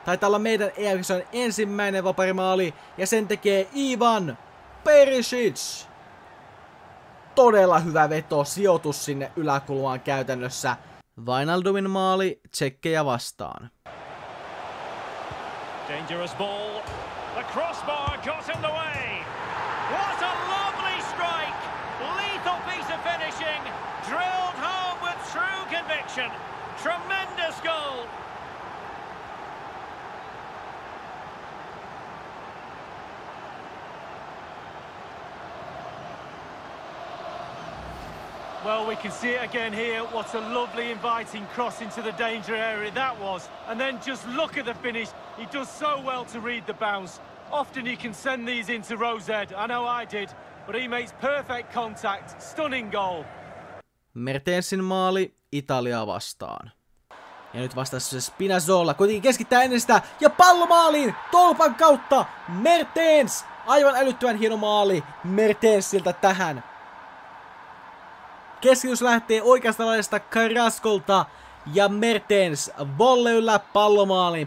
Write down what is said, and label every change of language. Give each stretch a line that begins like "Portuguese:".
Finnish: Taitaa olla meidän EM-kisojen ensimmäinen vapari maali. Ja sen tekee Ivan Perisic. Todella hyvä veto, sijoitus sinne yläkulmaan käytännössä. Wijnaldumin maali Tšekkejä vastaan.
English: Dangerous ball. The crossbar got in the way. What a lovely strike. Lethal piece of finishing. Drilled home with true conviction. Tremendous goal. Well, we can see it again here. What a lovely inviting cross into the danger area that was. And then just look at the finish. He does so well to read the bounce. Often you can send these into row Z. I know I did. But he makes perfect contact. Stunning goal.
Finnish: Mertensin maali Italiaa vastaan. Ja nyt vastassa se Spinazzola. Kuitenkin keskittää ennen sitä. Ja pallo maaliin tolpan kautta. Mertens. Aivan älyttömän hieno maali Mertensiltä tähän. Keskitys lähtee oikeasta laidasta Carrascolta ja Mertens volleylla pallomaaliin.